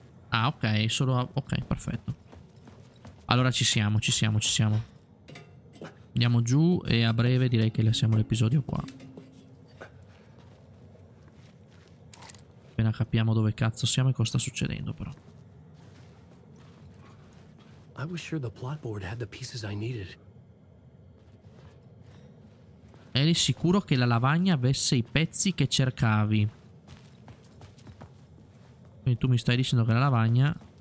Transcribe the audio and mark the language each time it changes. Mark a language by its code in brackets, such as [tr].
[it] Ah, ok, solo... Ok, perfetto. Allora ci siamo, ci siamo, ci siamo. Andiamo giù e a breve direi che lasciamo l'episodio qua. Appena capiamo dove cazzo siamo e cosa sta succedendo, però. [en] I was sure the plot board had the pieces I needed. [it] Eri sicuro che la lavagna avesse i pezzi che cercavi. Quindi tu mi stai dicendo che la lavagna...